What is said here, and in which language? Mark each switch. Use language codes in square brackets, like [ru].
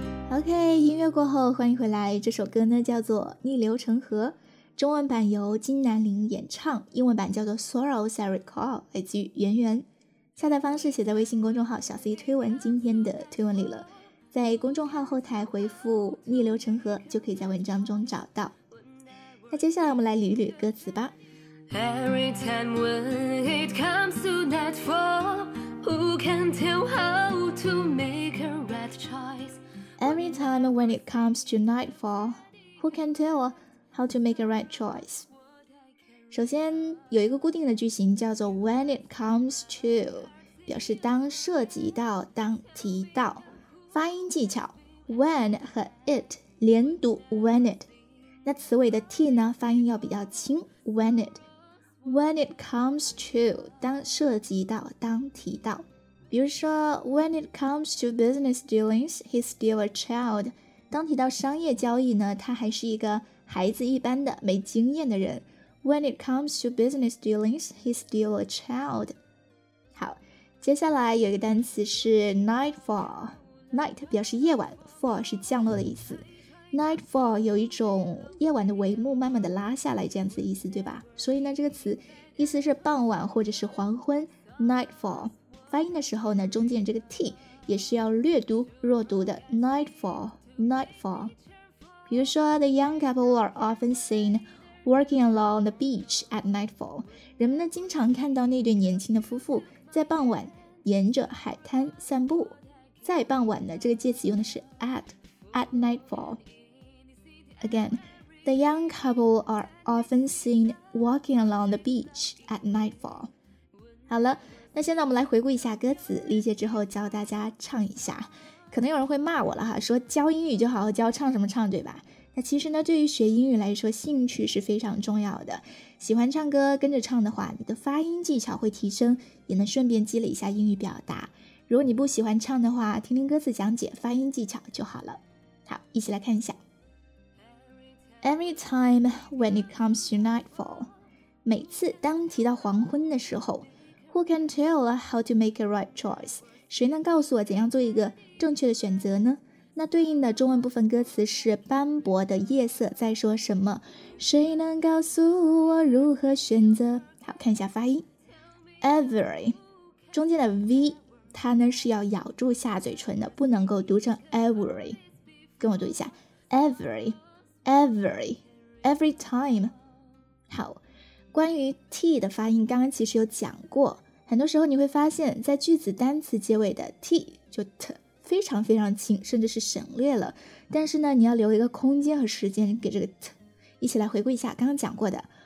[zh] OK， 音乐过后欢迎回来。这首歌呢叫做《逆流成河》，中文版由金南玲演唱，英文版叫做《Sorrows I Recall》，来自于圆圆。下载方式写在微信公众号小 C 推文今天的推文里了，在公众号后台回复《逆流成河》就可以在文章中找到。那接下来我们来捋捋歌词吧。 [en] Every time when it comes to nightfall, who can tell how to make a right choice? Every time when it comes to nightfall, who can tell how to make a right choice? [zh] 首先有一个固定的句型叫做 [en] when it comes to, [zh] 表示当涉及到、当提到。发音技巧 ,when 和 it 连读 when it, 那词尾的 t 呢发音要比较轻 when it, [en] when it comes to, [zh] 当涉及到、当提到。比如说 [en] ,when it comes to business dealings, he's still a child. [zh] 当提到商业交易呢，他还是一个孩子一般的没经验的人。 [en] When it comes to business dealings, he's still a child. [zh] 好，接下来有一个单词是 nightfall。 night 表示夜晚 ,fall 是降落的意思。nightfall 有一种夜晚的帷幕慢慢的拉下来这样子的意思，对吧？所以呢，这个词意思是傍晚或者是黄昏 ,nightfall。发音的时候呢，中间这个 t 也是要略读弱读的 nightfall nightfall。比如说 [en] the young couple are often seen walking along the beach at nightfall， [zh] 人们呢经常看到那对年轻的夫妇在傍晚沿着海滩散步。在傍晚呢，这个介词用的是 [en] at nightfall。 Again, the young couple are often seen walking along the beach at nightfall。 [zh] 好了，那现在我们来回顾一下歌词，理解之后教大家唱一下。可能有人会骂我了哈，说教英语就好好教，唱什么唱，对吧？那其实呢，对于学英语来说，兴趣是非常重要的。喜欢唱歌跟着唱的话，你的发音技巧会提升，也能顺便积累一下英语表达。如果你不喜欢唱的话，听听歌词讲解发音技巧就好了。好，一起来看一下。 [en] Every time when it comes to nightfall， [zh] 每次当提到黄昏的时候， [en] Who can tell how to make a right choice? [zh] 谁能告诉我怎样做一个正确的选择呢？那对应的中文部分歌词是斑驳的夜色在说什么？谁能告诉我如何选择？好，看一下发音。 Every 中间的 V 它呢是要咬住下嘴唇的，不能够读成 every。跟我读一下 [en] Every Every Every time。 [zh] 好，关于 T 的发音刚刚其实有讲过，很多时候你会发现在句子单词结尾的 T 就 T非常非常轻，甚至是省略了。但是呢，你要留一个空间和时间给这个 t。一起来回顾一下刚刚讲过的